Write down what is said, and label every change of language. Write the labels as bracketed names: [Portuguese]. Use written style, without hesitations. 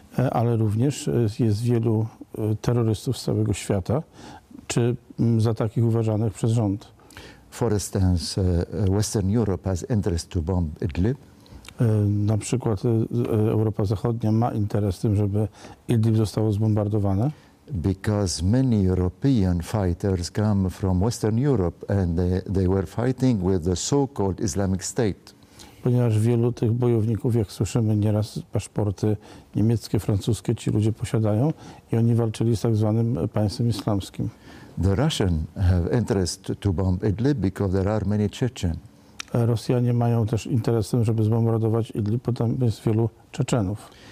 [Polish] Ale również jest wielu terrorystów z całego świata, czy za takich uważanych przez rząd. [English] For instance, Western Europe has interest to bomb Idlib. [Polish] Na przykład Europa Zachodnia ma interes w tym, żeby Idlib zostało zbombardowane. [English] Because many European fighters come from Western Europe and they were fighting with the so-called Islamic State. [Polish] Ponieważ wielu tych bojowników, jak słyszymy, nieraz paszporty niemieckie, francuskie ci ludzie posiadają i oni walczyli z tak zwanym państwem islamskim. [English] The Russian have interest to bomb Idlib because there are many Chechen. [Polish] Rosjanie mają też interes, żeby zbombardować Idlib, bo tam jest wielu Czeczenów.